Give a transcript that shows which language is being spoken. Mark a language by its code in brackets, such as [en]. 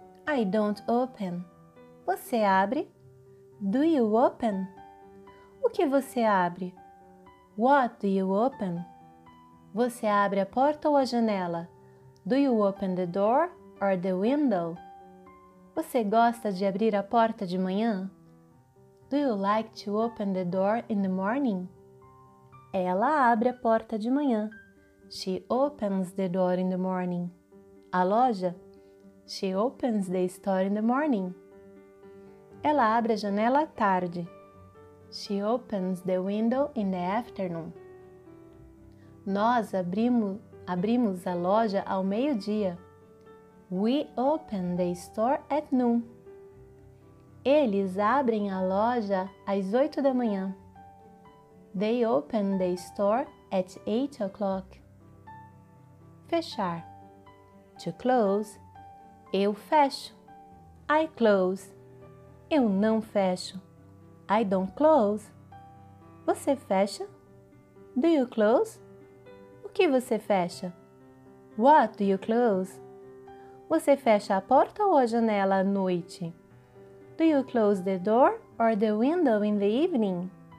[en] I don't open. [pt] Você abre? [en] Do you open? [pt] O que você abre? [en] What do you open? [pt] Você abre a porta ou a janela? [en] Do you open the door or the window? [pt] Você gosta de abrir a porta de manhã? [en] Do you like to open the door in the morning? [pt] Ela abre a porta de manhã. [en] She opens the door in the morning. [pt] A loja? [en] She opens the store in the morning. [pt] Ela abre a janela à tarde. [en] She opens the window in the afternoon. [pt] Nós abrimos a loja ao meio-dia. [en] We open the store at noon. [pt] Eles abrem a loja às 8 da manhã. [en] They open the store at 8 o'clock. [pt] Fechar. [en] To close. [pt] Eu fecho. [en] I close. [pt] Eu não fecho. [en] I don't close. [pt] Você fecha? [en] Do you close? [pt] O que você fecha? [en] What do you close? [pt] Você fecha a porta ou a janela à noite? [en] Do you close the door or the window in the evening?